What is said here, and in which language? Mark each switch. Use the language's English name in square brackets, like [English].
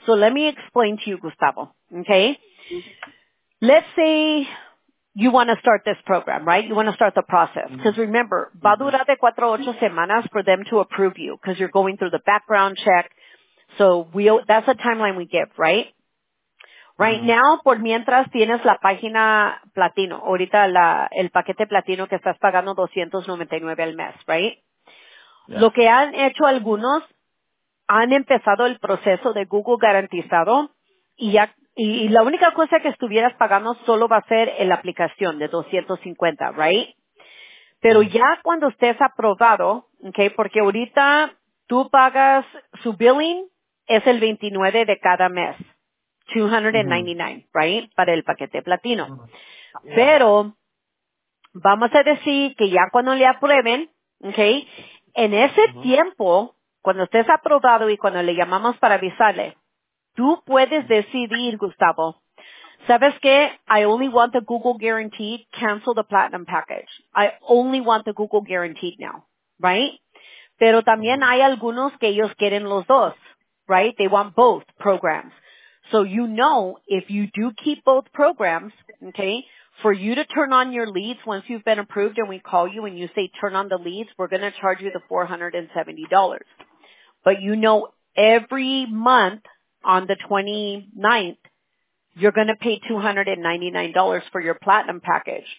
[English] So let me explain to you, Gustavo, okay? Let's say you want to start this program, right? You want to start the process. Because remember, [Spanish] va a durar de 4 a 8 semanas [English] for them to approve you because you're going through the background check. So that's the timeline we give, right? Right now, [Spanish] por mientras tienes la página platino, ahorita el paquete platino que estás pagando $299 al mes, right? Lo que han hecho algunos, han empezado el proceso de Google garantizado y ya, y la única cosa que estuvieras pagando solo va a ser en la aplicación de 250, right? Pero ya cuando estés aprobado, okay, porque ahorita tú pagas su billing, es el 29 de cada mes, $299, right, para el paquete platino. Pero vamos a decir que ya cuando le aprueben, okay, en ese tiempo, cuando estés aprobado y cuando le llamamos para avisarle, tú puedes decidir, Gustavo, ¿sabes qué? [English] I only want the Google Guaranteed, cancel the Platinum Package. I only want the Google Guaranteed now, right? [Spanish] Pero también hay algunos que ellos quieren los dos, right? [English] They want both programs. So you know, if you do keep both programs, okay, for you to turn on your leads once you've been approved and we call you and you say turn on the leads, we're going to charge you the $470. But you know, every month on the 29th, you're going to pay $299 for your Platinum Package.